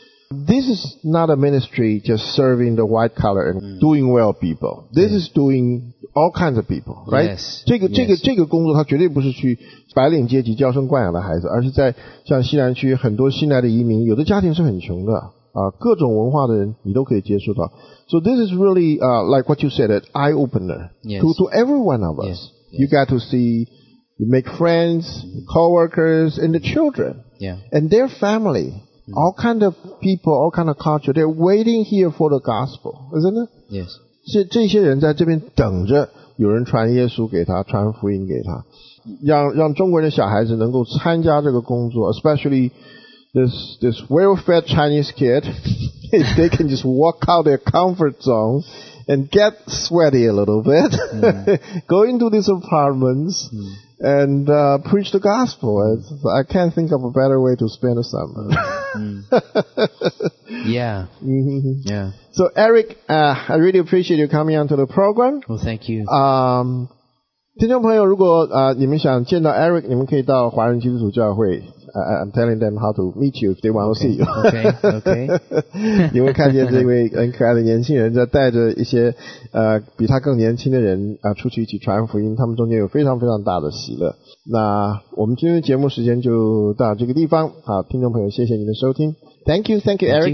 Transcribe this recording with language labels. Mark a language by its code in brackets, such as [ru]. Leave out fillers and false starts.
[en] This is not a ministry just serving the white collar and doing well people. This is doing all kinds of people, right? Yes. [zh] 这个工作它绝对不是去白领阶级娇生惯养的孩子，而是在像西南区很多新来的移民，有的家庭是很穷的。各种文化的人你都可以接触到。 [en] So this is really, like what you said, an eye-opener. Yes. To every one of us. Yes. You got to see, you make friends, co-workers, and the children. Yeah. And their family. All kind of people, all kind of culture, they're waiting here for the gospel, isn't it? Yes. [zh] 这些人在这边等着有人传耶稣给他，传福音给他。让中国人的小孩子能够参加这个工作， [en] especially this well-fed Chinese kid, they can just walk out their comfort zone and get sweaty a little bit, go into these apartments, and preach the gospel. I can't think of a better way to spend a summer. Yeah. Mm-hmm. Yeah. So Eric, I really appreciate you coming onto the program. Well, thank you. [zh] 听众朋友，如果你们想见到 Eric， 你们可以到华人基督徒教会。 [en] I'm telling them how to meet you if they want to see you. Okay. [zh] 你会看见这位很可爱的年轻人在带着一些比他更年轻的人出去一起传福音，他们中间有非常非常大的喜乐。那我们今天的节目时间就到这个地方。好，听众朋友，谢谢您的收听。 [en] Thank you, Eric.